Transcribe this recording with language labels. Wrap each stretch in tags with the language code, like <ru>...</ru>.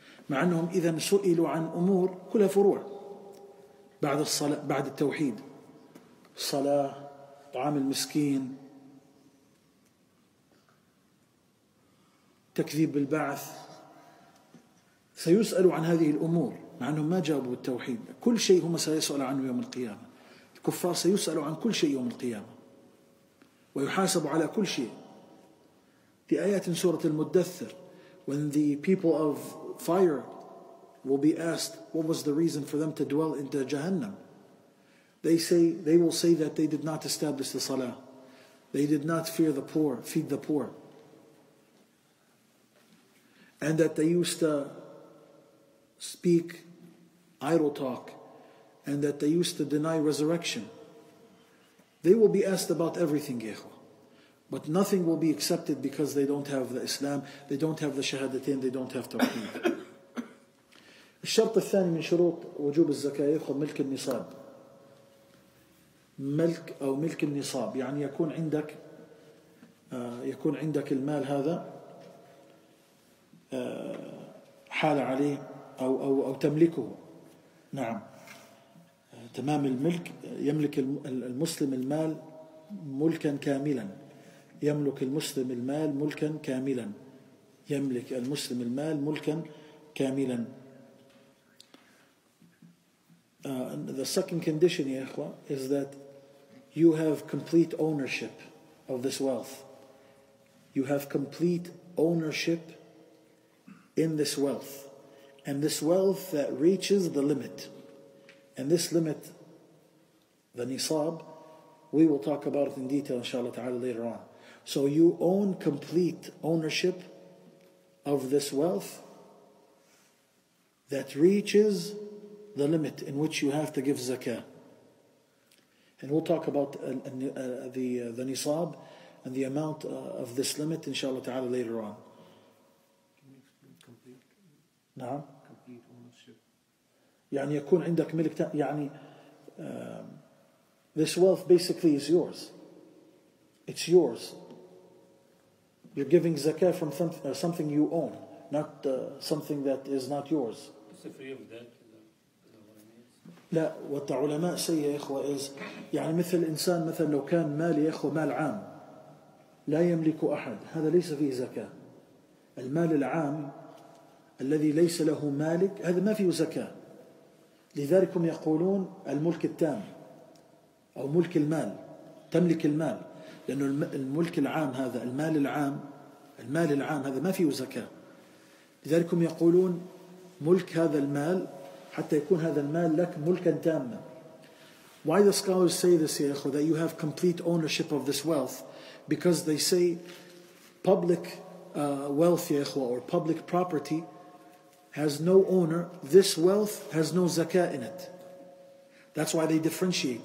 <ar>مع أنهم إذا سئلوا عن أمور كلها فروع، بعد الصلاة، بعد التوحيد، الصلاة، طعام المسكين، تكذيب بالبعث، سيسألوا عن هذه الأمور مع أنهم ما جابوا التوحيد. كل شيء هم سيسأل عنه يوم القيامة. الكفار سيسألوا عن كل شيء يوم القيامة ويحاسبوا على كل شيء.</ar> <en>The ayat in Surah Al-Muddathir, when the people of fire will be asked, what was the reason for them to dwell into Jahannam? They say, they will say that they did not establish the salah. They did not fear the poor, feed the poor. And that they used to speak idle talk. And that they used to deny resurrection. They will be asked about everything, Ikhwa. But nothing will be accepted because they don't have the Islam, they don't have the Shahadatain, they don't have Tawheed.</en> <ar>الشرط الثاني من شروط وجوب الزكاة يأخذ ملك النصاب. ملك أو ملك النصاب يعني يكون عندك يكون عندك المال هذا حال عليه أو أو أو تملكه. نعم تمام الملك يملك المسلم المال ملكا كاملا. يملك المسلم المال ملكا كاملا. يملك المسلم المال ملكا كاملا.</ar> <en>The second condition, ya ikhwa, is that you have complete ownership of this wealth. You have complete ownership in this wealth. And this wealth that reaches the limit. And this limit, the nisab, we will talk about it in detail, inshallah ta'ala, later on. So you own complete ownership of this wealth that reaches the limit in which you have to give zakah. And we'll talk about the nisab and the amount of this limit, inshallah ta'ala, later on. Can you explain complete? No. Complete ownership.</en> <ar>يعني يكون عندك ملك يعني</ar> <en>this wealth basically is yours. It's yours. You're giving zakah from something you own, not something that is not yours. It's a free of debt.</en> <ar>لا والعلماء سي يا إخوة is يعني مثل إنسان مثلا لو كان مال يا إخوة مال عام لا يملك أحد هذا ليس فيه زكاة المال العام الذي ليس له مالك هذا ما فيه زكاة لذلك هم يقولون الملك التام أو ملك المال تملك المال لأنه الملك العام هذا المال العام المال العام هذا ما فيه زكاة لذلك هم يقولون ملك هذا المال حتى يكون هذا المال لك ملكا تاما.</ar> <en>Why the scholars say this,</en> <ar>يا إخوة,</ar> <en>that you have complete ownership of this wealth? Because they say public wealth,</en> <ar>يا إخوة,</ar> <en>or public property has no owner. This wealth has no zakah in it. That's why they differentiate.</en>